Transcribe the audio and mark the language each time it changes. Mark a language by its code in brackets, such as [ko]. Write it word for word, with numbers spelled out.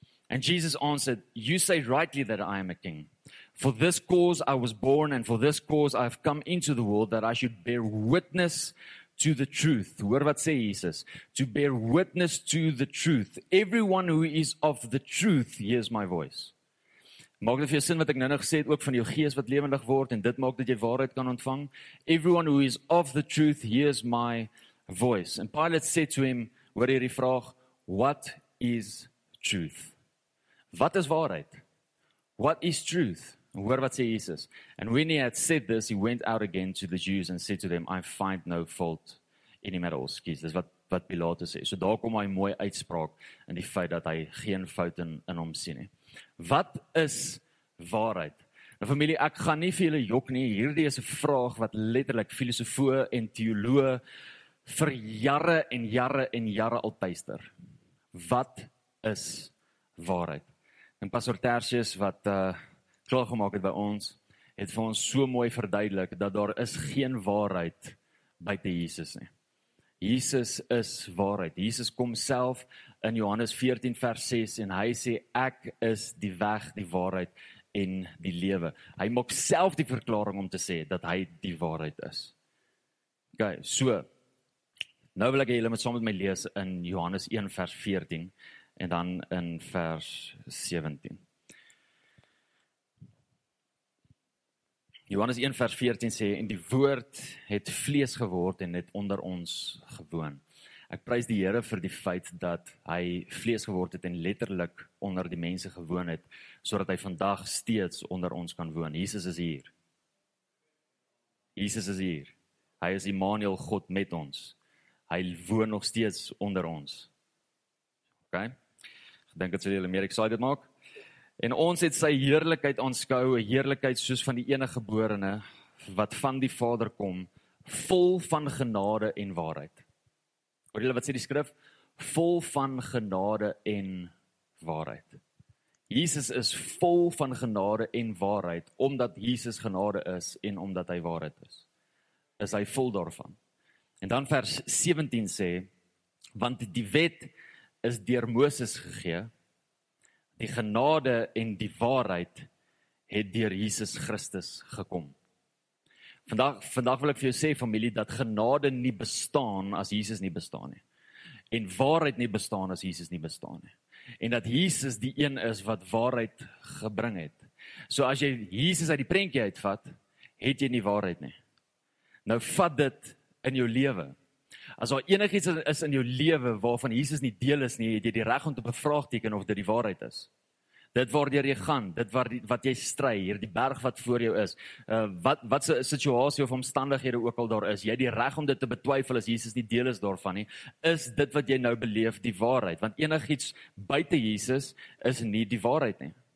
[en] And Jesus answered, you say rightly that I am a king. For this cause I was born, and for this cause I have come into the world, that I should bear witness to the truth. [af] Hoor wat sê Jesus? [en] To bear witness to the truth. Everyone who is of the truth hears my voice. [af] Maak dit vir jou sin wat ek nou nog gesê het, ook van jou gees wat lewendig word, en dit maak dat jy waarheid kan ontvang. [en] Everyone who is of the truth hears my voice. And Pilate said to him, [af] hoor hierdie vraag, [en] what is truth? [af] Wat is waarheid? [en] What is truth? [af] Hoor wat sê Jesus. [en] And when he had said this, he went out again to the Jews and said to them, I find no fault in him at all. [af] Excuse, dis wat, wat Pilatus sê. So daar kom hy mooi uitspraak in die feit dat hy geen fout in, in hom sien nie. Wat is waarheid? Nou familie, ek gaan nie vir julle jok nie. Hierdie is 'n vraag wat letterlik filosofe en teoloë vir jare en jare en jare al tuister. Wat is waarheid? En Pastor Tertius wat... Uh, klaargemaak het by ons, het vir ons so mooi verduidelik, dat daar is geen waarheid buite Jesus nie. Jesus is waarheid. Jesus kom self in Johannes veertien vers ses, en hy sê, ek is die weg, die waarheid en die lewe. Hy maak self die verklaring om te sê, dat hy die waarheid is. Okay, so, nou wil ek julle met saam met my lees in Johannes een vers veertien, en dan in vers sewentien. Johannes een vers veertien sê, en die woord het vlees geword en het onder ons gewoon. Ek prys die Here vir die feit dat hy vlees geword het en letterlik onder die mense gewoon het, sodat hy vandag steeds onder ons kan woon. Jesus is hier. Jesus is hier. Hy is Immanuel, God met ons. Hy woon nog steeds onder ons. Okay? Ek dink dit sal julle meer excited maak. En ons het sy heerlikheid aanskou, 'n heerlikheid soos van die enige geborene, wat van die Vader kom, vol van genade en waarheid. Hoor julle wat sê die skrif? Vol van genade en waarheid. Jesus is vol van genade en waarheid, omdat Jesus genade is en omdat hy waarheid is. Is hy vol daarvan. En dan vers sewentien sê, want die wet is deur Moses gegee, die genade en die waarheid het deur Jesus Christus gekom. Vandag, vandag wil ek vir jou sê, familie, dat genade nie bestaan as Jesus nie bestaan nie. En waarheid nie bestaan as Jesus nie bestaan nie. En dat Jesus die een is wat waarheid gebring het. So as jy Jesus uit die prentjie uitvat, het jy nie waarheid nie. Nou vat dit in jou lewe. As daar enigiets is in jou lewe waarvan Jesus nie deel is nie, het jy die reg om te bevraagteken of dit die waarheid is. Dit waardeur jy gaan, dit waar die, wat jy stry, hier die berg wat voor jou is, uh, wat wat se situasie of omstandighede ook al daar is, jy het die reg om dit te betwyfel as Jesus nie deel is daarvan nie, is dit wat jy nou beleef die waarheid, want enigiets buite Jesus is nie die waarheid nie.